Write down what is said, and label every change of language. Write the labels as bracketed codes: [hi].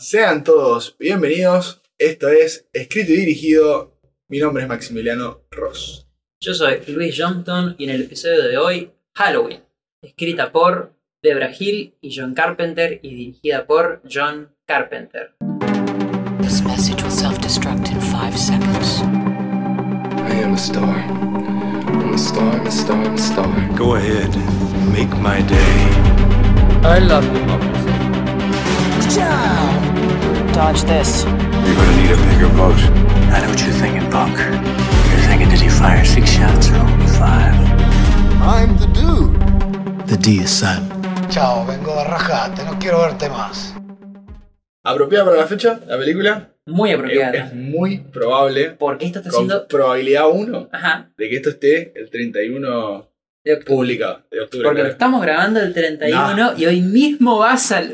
[es] Sean todos bienvenidos. Esto es Escrito y Dirigido. Mi nombre es Maximiliano Ross. Yo soy Luis Johnston y en el episodio de hoy, Halloween. Escrita por Debra Hill y John Carpenter y dirigida por John Carpenter. [en] This message will self-destruct in 5 seconds. I am a star. I'm a star, I'm a star, I'm a star. Go ahead, make my day. I love you, Mom. Dodge this. You're gonna need a bigger boat. I know what you're thinking, Buck. You're thinking, did he fire 6 shots or only 5? I'm the dude. The D is silent. [es] Chao, vengo a rajarte, no quiero verte más. ¿Apropiada para la fecha la película? Muy apropiada. Es muy probable. Porque esto está con siendo. Probabilidad 1 de que esto esté el 31 de octubre. Porque claro. Lo estamos grabando el 31 y hoy mismo va a salir.